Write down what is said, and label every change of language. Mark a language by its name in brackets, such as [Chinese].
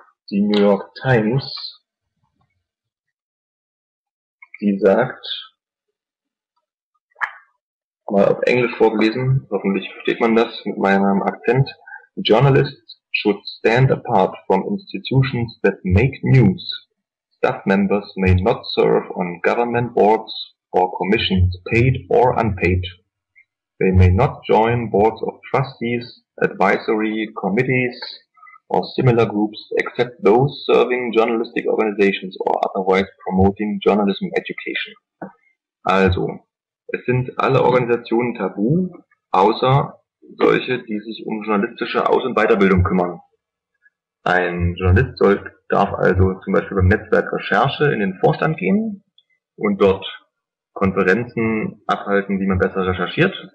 [German] Die New York Times, die sagt, mal auf Englisch vorgelesen, hoffentlich versteht man das mit meinem Akzent, [English] journalists should stand apart from institutions that make news Staff members may not serve on government boards or commissions, paid or unpaid. They may not join boards of trustees, advisory committees, or similar groups, except those serving journalistic organizations or otherwise promoting journalism education. [German] Also, es sind alle Organisationen tabu, außer solche, die sich um journalistische Aus- und Weiterbildung kümmern. Ein Journalist darf also zum Beispiel beim Netzwerk Recherche in den Vorstand gehen und dort Konferenzen abhalten, wie man besser recherchiert.